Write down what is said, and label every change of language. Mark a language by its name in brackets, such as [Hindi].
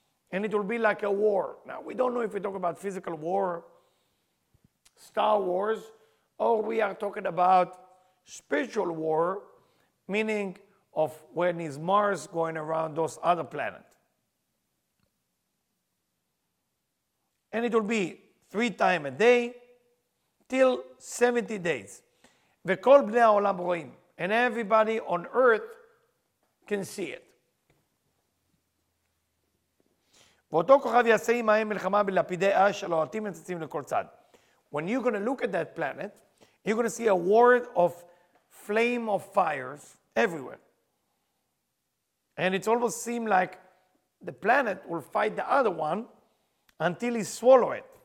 [English] And it will be like a war. Now, we don't know if we talk about physical war, Star Wars, or we are talking about spiritual war, meaning of when is Mars going around those other planets. And it will be three times a day, till 70 days. [Hebrew] וכל בני העולם רואים, [English] and everybody on earth can see it. [Hebrew] ואותו כוכב יעשה עמהם מלחמה בלפידי אש, הלוהטים מצצים לכל צד. [English] When you're going to look at that planet, you're going to see a world of flame of fires everywhere. And it almost seems like the planet will fight the other one until he swallows it.